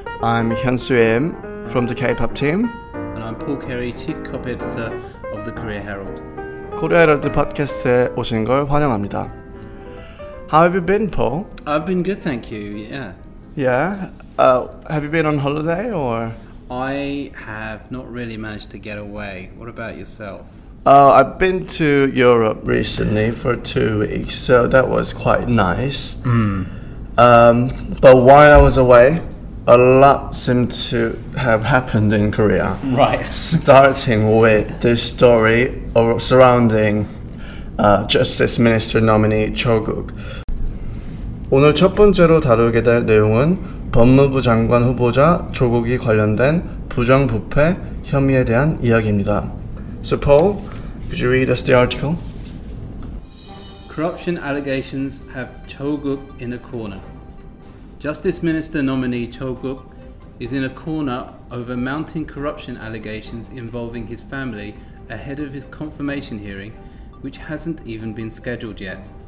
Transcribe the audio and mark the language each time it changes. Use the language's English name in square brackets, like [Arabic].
[English] I'm Hyunsoo Im from the K-pop team. And I'm Paul Carey, Chief Cop Editor of the Korea Herald. [Korean] 코리아 헤럴드 팟캐스트에 오신 걸 환영합니다. [English] How have you been, Paul? I've been good, thank you, yeah. Yeah? Have you been on holiday or...? I have not really managed to get away. What about yourself? I've been to Europe recently for 2 weeks, so that was quite nice. Mm. But while I was away, a lot seemed to have happened in Korea. Right. Starting with this story surrounding Justice Minister nominee Cho Guk. [Korean] 오늘 첫 번째로 다루게 될 내용은 법무부 장관 후보자 조국이 관련된 부정부패 혐의에 대한 이야기입니다. [English] So Paul, could you read us the article? Corruption allegations have Cho Guk in a corner. Justice Minister nominee Cho Guk is in a corner over mounting corruption allegations involving his family ahead of his confirmation hearing, which hasn't even been scheduled yet.